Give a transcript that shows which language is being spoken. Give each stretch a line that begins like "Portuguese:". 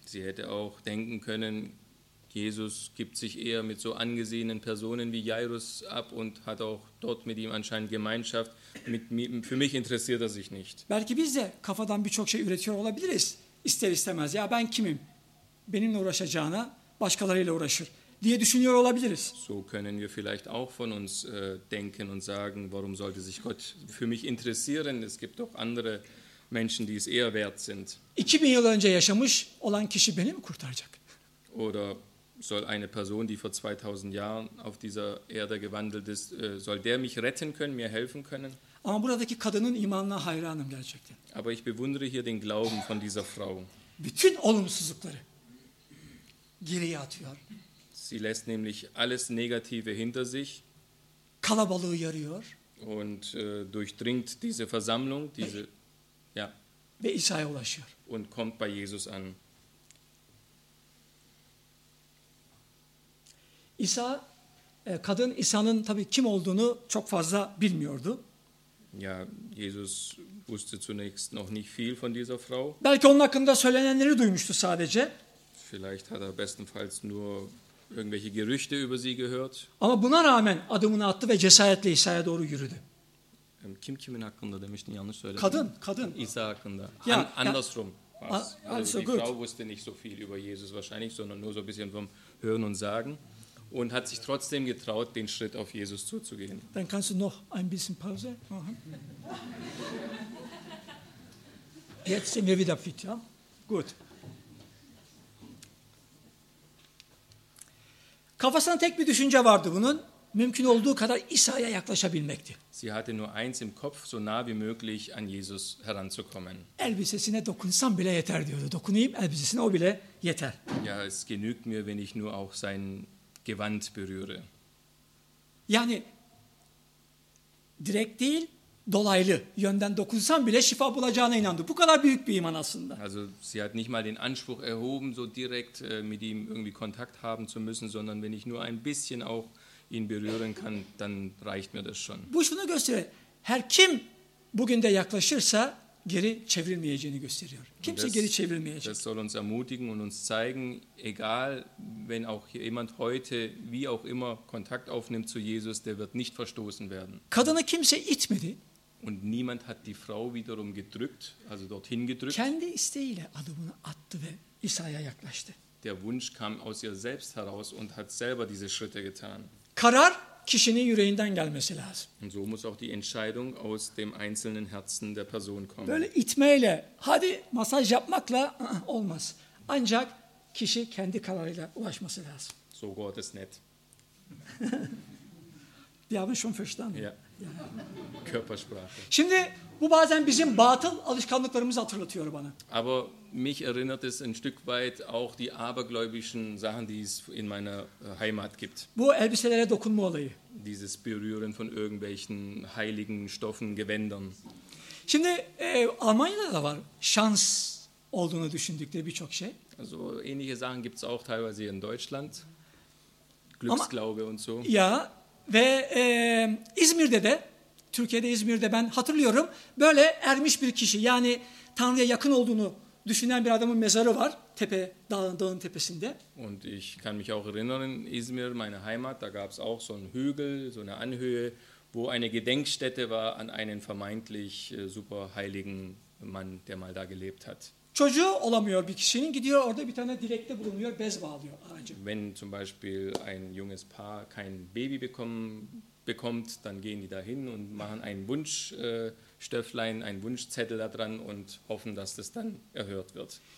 German: Sie hätte auch denken können, Jesus gibt sich eher mit so angesehenen Personen wie Jairus ab und hat auch dort mit ihm anscheinend Gemeinschaft. Für mich interessiert er sich nicht.
Turkish: Belki biz de kafadan birçok şey üretiyor olabiliriz. İster istemez ya ben kimim? Benimle uğraşacağına başkalarıyla uğraşır diye düşünüyor olabiliriz.
German: So können wir vielleicht auch von uns denken und sagen, warum sollte sich Gott für mich interessieren? Es gibt doch andere Menschen, die es eher wert sind.
Turkish: 2000 yıl önce yaşamış olan kişi beni mi kurtaracak?
German: Oder soll eine Person, die vor 2000 Jahren auf dieser Erde gewandelt ist, soll der mich retten können, mir helfen können?
Turkish: Ama buradaki kadının imanına hayranım gerçekten.
German: Aber ich bewundere hier den Glauben von dieser Frau.
Turkish: Bütün olumsuzlukları geriye atıyor.
German: Sie lässt nämlich alles Negative hinter sich.
Turkish: Kalabalığı yarıyor.
German: Und durchdringt diese Versammlung, diese ja.
Turkish: Ve İsa'ya ulaşıyor.
German: Und kommt bei Jesus an.
Turkish: İsa, kadın İsa'nın tabii kim olduğunu çok fazla bilmiyordu.
German: Ja, Jesus wusste zunächst noch nicht viel von dieser Frau.
Turkish: Belki onun hakkında söylenenleri duymuştu sadece.
German: Vielleicht hat er bestenfalls nur irgendwelche Gerüchte über sie gehört.
Turkish: Ama buna rağmen adımını attı ve cesaretle İsa'ya doğru yürüdü. Kim kimin hakkında demiştin, yanlış söyledim. Kadın, kadın. İsa hakkında.
German: Ja, andersrum. Also die gut. Frau wusste nicht so viel über Jesus wahrscheinlich, sondern nur so ein bisschen vom Hören und Sagen. Und hat sich trotzdem getraut, den Schritt auf Jesus zuzugehen. Dann kannst du noch ein bisschen Pause machen. Jetzt sind wir wieder fit, ja? Gut.
Turkish: Kafasında tek bir düşünce vardı bunun. Mümkün olduğu kadar İsa'ya yaklaşabilmekti.
German: Sie hatte nur eins im Kopf, so nah wie möglich an Jesus heranzukommen.
Turkish: Elbisesine dokunsam bile yeter diyordu. Dokunayım elbisesine o bile yeter.
German: Ja, es genügt mir, wenn ich nur auch sein Gewand berühre.
Turkish: Yani direkt değil, dolaylı yönden dokunsam bile şifa bulacağına inandı. Bu kadar büyük bir iman aslında.
German: Also sie hat nicht mal den Anspruch erhoben, so direkt mit ihm irgendwie Kontakt haben zu müssen, sondern wenn ich nur ein bisschen auch ihn berühren kann, dann reicht mir das schon.
Turkish: Bu şunu gösteriyor. Her kim bugün de yaklaşırsa geri çevrilmeyeceğini gösteriyor. Kimse geri çevrilmeyecek.
German: Das soll uns ermutigen und uns zeigen, egal wenn auch jemand heute wie auch immer Kontakt aufnimmt zu Jesus, der wird nicht verstoßen werden.
Turkish: Kadını kimse itmedi.
German: Und niemand hat die Frau wiederum gedrückt, also dorthin gedrückt.
Turkish: Kendi isteğiyle adımını attı ve İsa'ya yaklaştı.
German: Der Wunsch kam aus ihr selbst heraus und hat selber diese Schritte getan.
Turkish: Karar kişinin yüreğinden gelmesi lazım.
German: Und so muss auch die Entscheidung aus dem einzelnen Herzen der Person kommen.
Turkish: Böyle itmeyle, hadi masaj yapmakla olmaz. Ancak kişi kendi kararıyla ulaşması lazım.
German: So Gott ist nett. Wir haben schon verstanden. Ja. Körpersprache.
Turkish: Şimdi bu bazen bizim batıl alışkanlıklarımızı hatırlatıyor bana.
German: Aber mich erinnert es ein Stück weit auch die abergläubischen Sachen, die es in meiner Heimat gibt.
Turkish: Bu elbiselere dokunma olayı.
German: Dieses Berühren von irgendwelchen heiligen Stoffen, Gewändern.
Turkish: Şimdi Almanya'da da var şans olduğunu düşündükleri birçok şey.
German: Also ähnliche Sachen gibt es auch teilweise hier in Deutschland. Glücksglaube und so. Ja.
Turkish: Ve İzmir'de de, Türkiye'de İzmir'de ben hatırlıyorum, böyle ermiş bir kişi, yani Tanrı'ya yakın olduğunu düşünen bir adamın mezarı var, tepe, dağın tepesinde.
German: Und ich kann mich auch erinnern, İzmir, meine Heimat, da gab es auch so einen Hügel, so eine Anhöhe, wo eine Gedenkstätte war an einen vermeintlich super heiligen Mann, der mal da gelebt hat.
Turkish: Çocuğu olamıyor bir kişinin, gidiyor orada bir tane direkte bulunuyor, bez bağlıyor aracı.
German: Wenn zum Beispiel ein junges Paar kein Baby bekommt, dann gehen die dahin und machen einen Wunschstöfflein, einen Wunschzettel da dran und hoffen, dass das dann erhört wird.